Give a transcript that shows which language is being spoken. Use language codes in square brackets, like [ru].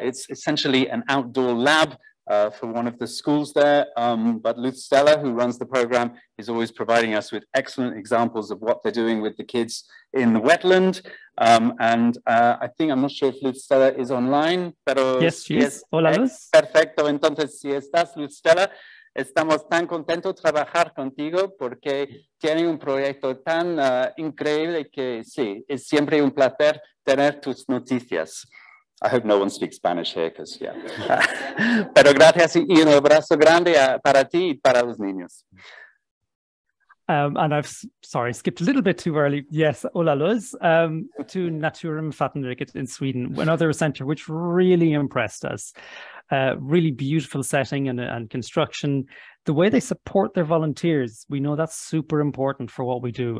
[en] It's essentially an outdoor lab for one of the schools there. But Luth Stella, who runs the program, is always providing us with excellent examples of what they're doing with the kids in the wetland. I think, I'm not sure if Luth Stella is online, [es] pero... [en] Yes, she is. [es] Hola, Luz. Perfecto. Entonces, si estás, Luth Stella, estamos tan contentos de trabajar contigo porque tienes un proyecto tan increíble que sí, es siempre un placer tener tus noticias. [en] I hope no one speaks Spanish here, because yeah. [es] Pero gracias y un abrazo grande para ti y para los niños. [en] And I've, sorry, skipped a little bit too early. Yes, [es] hola Luz, [en] to Naturum Fatenriket in Sweden, another center which really impressed us. Really beautiful setting and construction. The way they support their volunteers, we know that's super important for what we do.